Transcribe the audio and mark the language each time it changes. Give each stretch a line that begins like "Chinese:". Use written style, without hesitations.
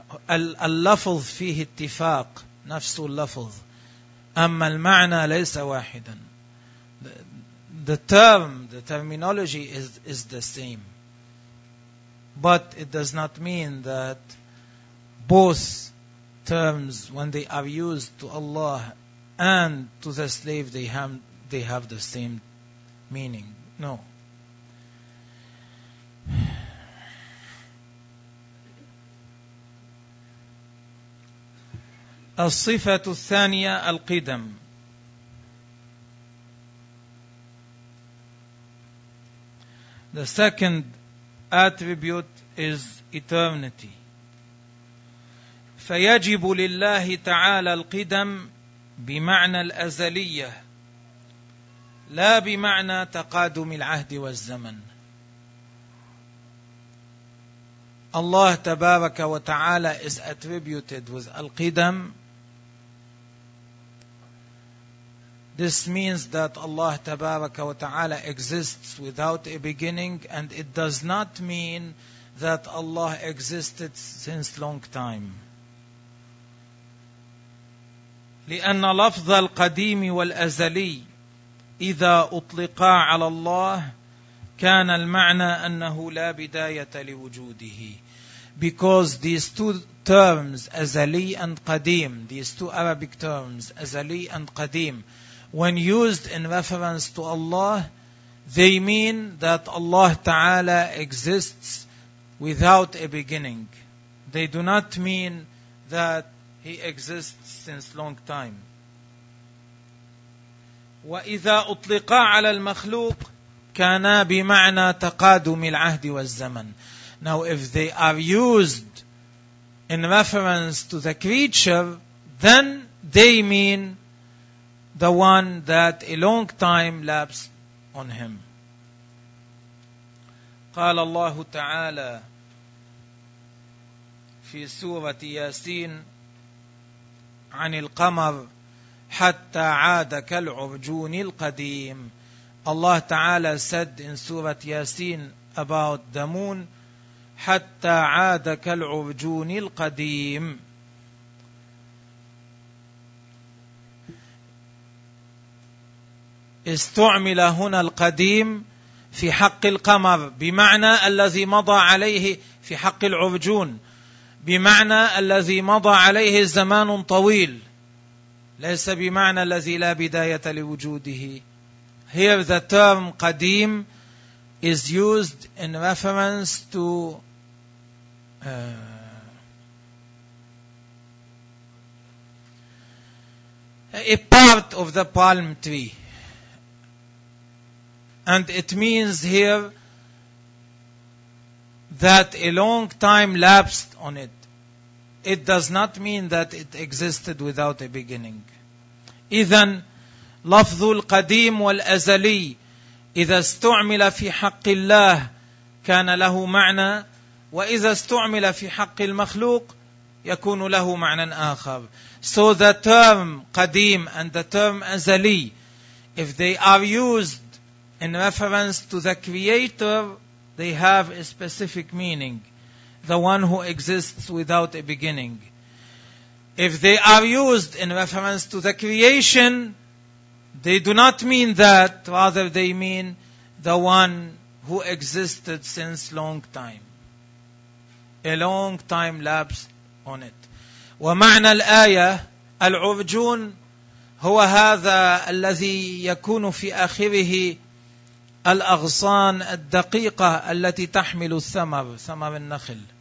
Arabic: اللفظ فيه اتفاق, نفس اللفظ, أما المعنى ليس واحدا.
English: The terminology is the same, but it does not mean that both terms, when they are used to Allah and to the slave, they have the same meaning. No.
Arabic: الصفة الثانية القدم.
English: The second attribute is eternity.
Arabic: فيجب لله تعالى القدم بمعنى الأزلية لا بمعنى تقادم العهد والزمن.
English: Allah tabaraka wa ta'ala is attributed with al-qidam, this means that Allah tabaraka wa ta'ala exists without a beginning, and it does not mean that Allah existed since long time.
Arabic: لأن لفظ القديم والأزلي إذا أطلقا على الله كان المعنى أنه لا بداية لوجوده.
English: Because these two terms, أزلي and قديم, these two Arabic terms, أزلي and قديم, when used in reference to Allah, they mean that Allah Ta'ala exists without a beginning. They do not mean that He exists since long time.
Arabic: وَإِذَا أُطْلِقَا عَلَى الْمَخْلُوقِ كَانَا بِمَعْنَى تَقَادُمِ الْعَهْدِ وَالزَّمَنِ.
English: Now if they are used in reference to the creature, then they mean the one that a long time lapsed on him.
Arabic: قَالَ اللَّهُ تَعَالَى فِي سُورَةِ يَاسِينَ عن القمر حتى عاد كالعرجون القديم.
English: Allah Ta'ala said in Surah Yasin about the moon,
Arabic: حتى عاد كالعرجون القديم. استعمل هنا القديم في حق القمر بمعنى الذي مضى عليه في حق العرجون. بمعنى الذي مضى عليه زمان طويل ليس بمعنى الذي لا بداية لوجوده.
English: Here the term قديم is used in reference to a part of the palm tree, and it means here that a long time lapsed on it. It does not mean that it existed without a beginning.
Arabic: إذن لفظ القديم والأزلي إذا استعمل في حق الله كان له معنى, وإذا استعمل في حق المخلوق يكون له معنى آخر.
English: So the term قديم and the term أزلي, if they are used in reference to the creator, they have a specific meaning, the one who exists without a beginning. If they are used in reference to the creation, they do not mean that, rather they mean the one who existed since long time. A long time lapsed on it.
Arabic: ومعنى الآية العرجون هو هذا الذي يكون في آخره الأغصان الدقيقة التي تحمل الثمر, ثمر النخل.